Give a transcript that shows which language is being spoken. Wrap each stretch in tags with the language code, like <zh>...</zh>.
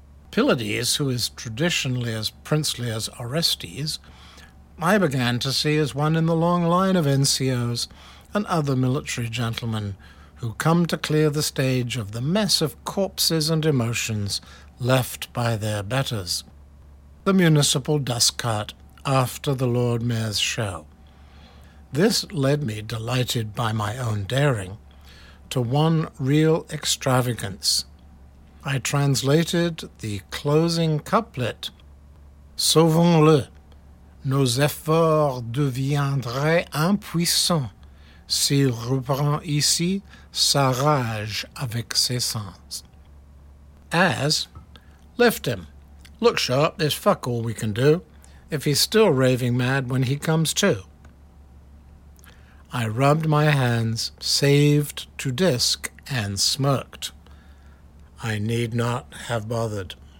<en>Pylades, who is traditionally as princely as Orestes, I began to see as one in the long line of NCOs and other military gentlemen who come to clear the stage of the mess of corpses and emotions left by their betters. The municipal dust cart after the Lord Mayor's show. This led me, delighted by my own daring, to one real extravagance. I translated the closing couplet,</en> <fr>Sauvons-le, nos efforts deviendraient impuissants s'il reprend ici sa rage avec ses sens.</fr> <en>As, lift him. Look sharp, there's fuck all we can do if he's still raving mad when he comes to. I rubbed my hands, saved to disk, and smirked. I need not have bothered.</en>